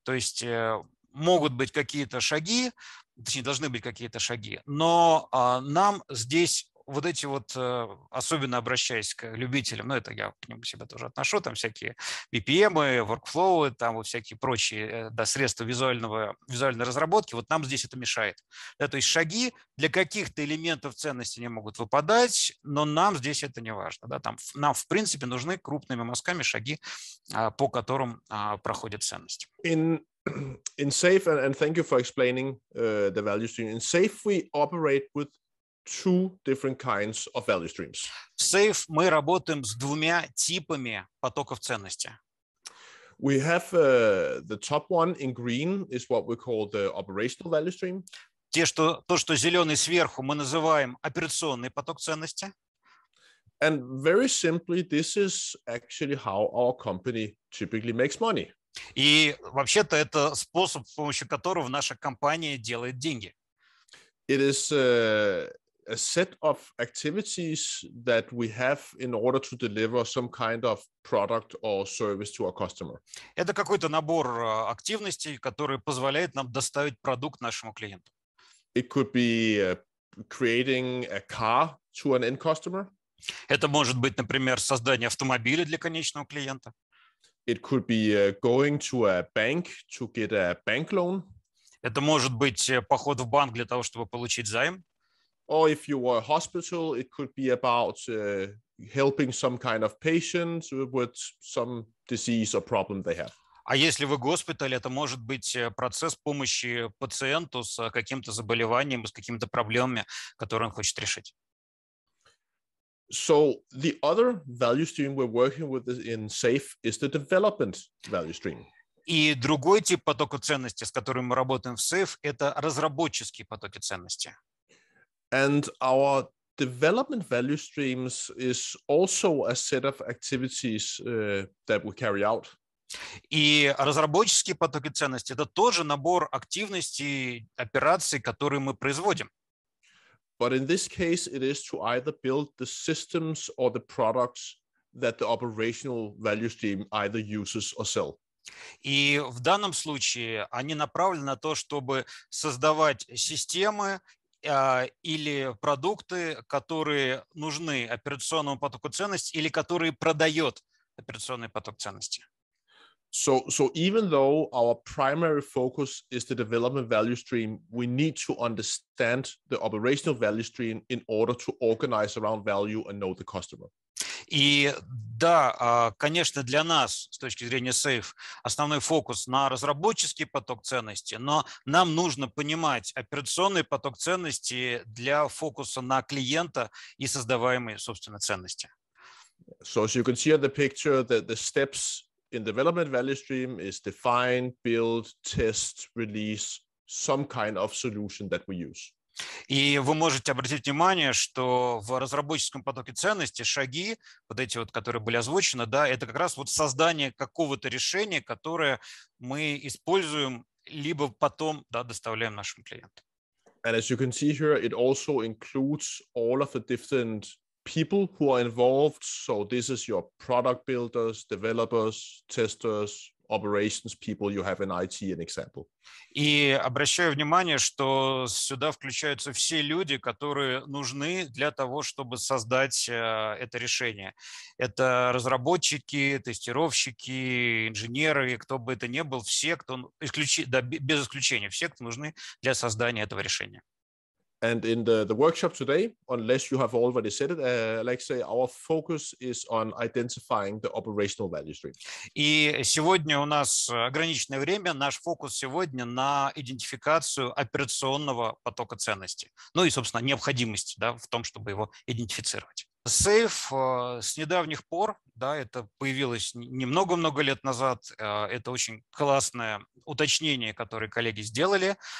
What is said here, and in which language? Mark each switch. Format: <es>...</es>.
<ru>То есть могут быть какие-то шаги, точнее, должны быть какие-то шаги, но нам здесь вот эти вот, особенно обращаясь к любителям, ну, это я к ним себя тоже отношу, там всякие BPM, workflow, там вот всякие прочие, да, средства визуальной разработки, вот нам здесь это мешает. Да, то есть шаги для каких-то элементов ценности не могут выпадать, но нам здесь это не важно. Да, там, нам, в принципе, нужны крупными мазками шаги, по которым проходит ценность.</ru> <en>In SAFE, and thank you for explaining the value stream. In SAFE, we operate with two different kinds of value streams.</en> <ru>В SAFE мы работаем с двумя типами потоков ценности.</ru> <en>We have the top one in green is what we call the operational value stream.</en> <ru>То, что зеленый сверху, мы называем операционный поток ценности.</ru> <en>And very simply, this is actually how our company typically makes money.</en> <ru>И вообще-то это способ, с помощью которого наша компания делает деньги.</ru> <en>It is a set of activities that we have in order to deliver some kind of product or service to our customer.</en> <ru>Это какой-то набор активностей, который позволяет нам доставить продукт нашему клиенту.</ru> <en>It could be creating a car to an end customer.</en> <ru>Это может быть, например, создание автомобиля для конечного клиента.</ru> <en>It could be going to a bank to get a bank loan.</en> <ru>Это может быть поход в банк для того, чтобы получить займ.</ru> <en>Or if you were a hospital, it could be about helping some kind of patient with some disease or problem they have.</en> <ru>А если вы госпиталь, это может быть процесс помощи пациенту с каким-то заболеванием, с какими-то проблемами, которые он хочет решить.</ru> <en>So the other value stream we're working with in SAFE is the development value stream.</en> <ru>И другой тип потока ценности, с которым мы работаем в SAFE, это разработческие потоки ценности.</ru> <en>And our development value streams is also a set of activities that we carry out.</en> <ru>И разработческие потоки ценности – это тоже набор активностей, операций, которые мы производим.</ru> <en>But in this case, it is to either build the systems or the products that the operational value stream either uses or sell.</en> <ru>И в данном случае они направлены на то, чтобы создавать системы или продукты, которые нужны операционному потоку ценности или которые продает операционный поток ценности.</ru> <en>So even though our primary focus is the development value stream, we need to understand the operational value stream in order to organize around value and know the customer.</en> <ru>И да, конечно, для нас, с точки зрения SAFE, основной фокус на разработческий поток ценности, но нам нужно понимать операционный поток ценности для фокуса на клиента и создаваемой, собственно, ценности.</ru> <en>So as you can see in the picture, that the steps in development value stream is define, build, test, release some kind of solution that we use.</en> <ru>И вы можете обратить внимание, что в разработческом потоке ценности шаги, вот эти вот, которые были озвучены, да, это как раз вот создание какого-то решения, которое мы используем, либо потом, да, доставляем нашим клиентам.</ru> <en>And as you can see here, it also includes all of the different people who are involved, so this is your product builders, developers, testers, operations people you have in IT, an example.</en> <ru>И обращаю внимание, что сюда включаются все люди, которые нужны для того, чтобы создать это решение. Это разработчики, тестировщики, инженеры, кто бы это ни был, все, кто, без исключения, все, кто нужны для создания этого решения.</ru> <en>And in the workshop today, unless you have already said it, Alexey, our focus is on identifying the operational value stream.</en> <ru>И сегодня у нас ограниченное время, наш фокус сегодня на идентификацию операционного потока ценности. Ну и, собственно, необходимости, да, в том, чтобы его идентифицировать. Сейф с недавних пор, да, это появилось немного-много лет назад, это очень классное уточнение, которое коллеги сделали.</ru>